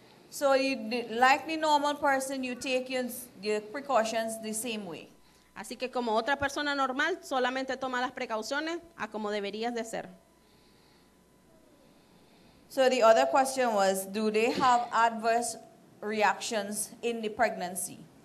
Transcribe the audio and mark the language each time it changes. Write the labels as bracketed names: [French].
[English] So you, like the normal person, you take your precautions the same way. [Spanish] Así que como otra persona normal, solamente toma las precauciones a como deberías de ser. [English] So the other question was, do they have adverse reactions in the pregnancy?